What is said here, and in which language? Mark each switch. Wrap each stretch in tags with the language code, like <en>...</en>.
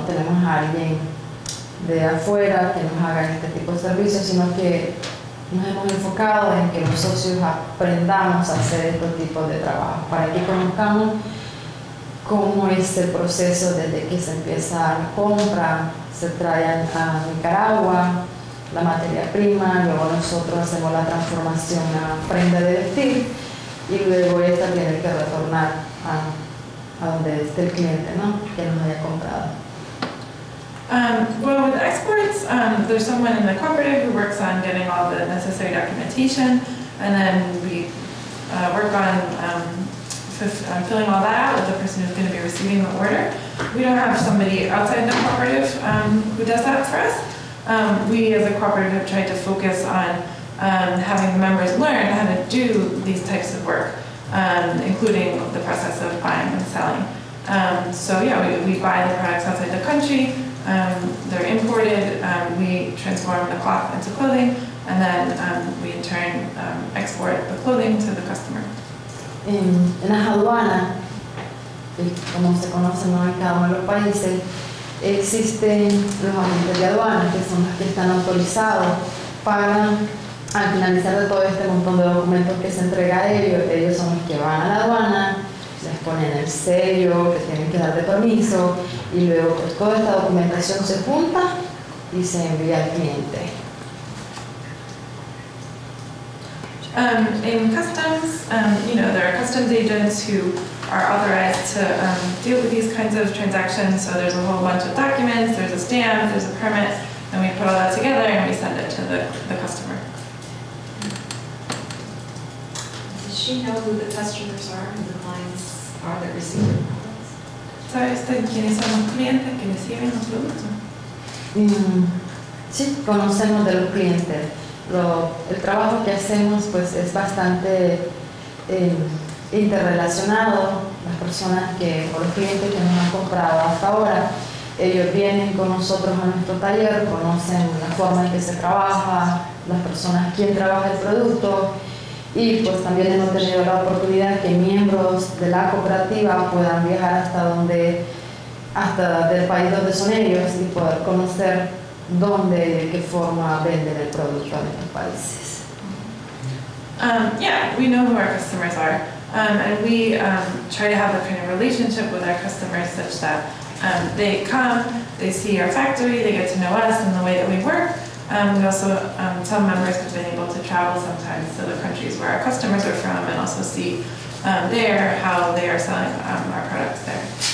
<es>No tenemos a alguien de afuera que nos haga este tipo de servicios, sino que nos hemos enfocado en que los socios aprendamos a hacer estos tipos de trabajo, para que conozcamos cómo es el proceso desde que se empieza la compra, se trae a Nicaragua la materia prima, luego nosotros hacemos la transformación a prenda de vestir, y luego esta tiene que retornar a donde esté el cliente, ¿no? Que no haya comprado.</es> <en>Well, with exports, there's someone in the cooperative who works on getting all the necessary documentation, and then we work on filling all that out with the person who's going to be receiving the order. We don't have somebody outside the cooperative who does that for us. We, as a cooperative, have tried to focus on having the members learn how to do these types of work, including the process of buying and selling. So we buy the products outside the country, they're imported, we transform the cloth into clothing, and then we in turn export the clothing to the customer.</en> <es>En la aduana, como se conoce, ¿no?, en cada uno de los países, existen los agentes de aduana, que son los que están autorizados para al finalizar de todo este montón de documentos que se entrega a ellos, ellos son los que van a la aduana, les ponen el sello, que tienen que dar de permiso, y luego pues, toda esta documentación se junta y se envía al cliente.</es> <en>In customs, you know, there are customs agents who are authorized to deal with these kinds of transactions, so there's a whole bunch of documents, there's a stamp, there's a permit, and we put all that together and we send it to the customer. Does she know who the customers are and the clients are that receive the products?</en> <es>¿Sabe usted quiénes son los clientes que reciben los productos? Sí, conocemos de los clientes. El trabajo que hacemos pues es bastante interrelacionado. Las personas que, o los clientes que nos han comprado hasta ahora, ellos vienen con nosotros a nuestro taller, conocen la forma en que se trabaja, las personas, quién trabaja el producto, y pues también hemos tenido la oportunidad que miembros de la cooperativa puedan viajar hasta del país donde son ellos y poder conocer dónde, de qué forma venden el producto en estos países.</es> <en>Yeah, we know who our customers are. And we try to have a kind of relationship with our customers such that they come, they see our factory, they get to know us and the way that we work. We also, some members have been able to travel sometimes to the countries where our customers are from and also see there how they are selling our products there.</en>